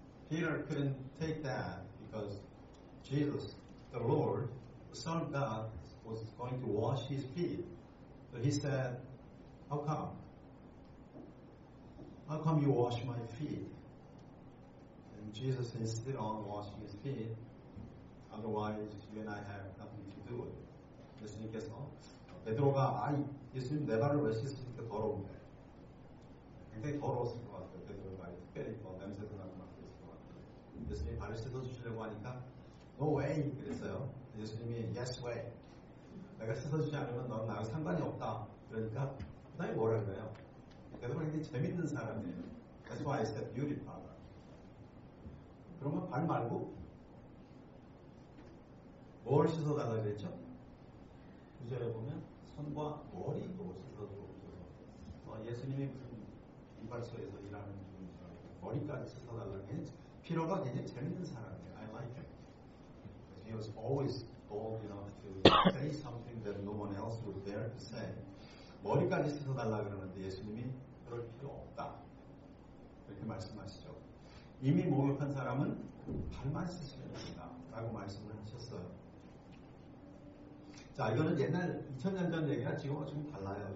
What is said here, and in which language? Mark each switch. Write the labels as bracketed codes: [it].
[en] Peter couldn't take that because Jesus, the Lord, the Son of God, was going to wash his feet. So he said, "How come? How come you wash my feet?" And Jesus insisted on washing his feet. Otherwise, you and I have nothing to do with it. [ko] 예수님께서 베드로가 아, 예수님 내 발을 왜 씻으니까 더러운데 굉장히 더러웠을 것 같아요. 베드로가 특별히 뭐 냄새도 나고 막 그랬을 것 같아요. 예수님 발을 씻어주시려고 하니까 [en] No way! [ko] 그랬어요. 예수님이 [en] Yes way! [ko] 내가 씻어주지 않으면 넌 나랑 상관이 없다. 그러니까 그 다음에 뭐라 그래요? 베드로가 굉장히 재밌는 사람이에요. [en] That's why I said beautiful. [ko] 그러면 발 말고 뭘 씻어달라 그랬죠? 구절에 보면 손과 머리도 씻어주고 예수님이 무슨 이발소에서 일하는 분이죠. 머리까지 씻어달라 그랬죠. 피로가 굉장히 재밌는 사람이에요. [en] I like him. He was always bold enough to say something that no one else would dare to say. [ko] 머리까지 씻어달라 그러는데 예수님이 그럴 필요 없다. 이렇게 말씀하시죠. 이미 목욕한 사람은 발만 씻으면 된다. 라고 말씀을 하셨어요. 자, 이거는 옛날 2000년 전 얘기가 지금과 좀 달라요.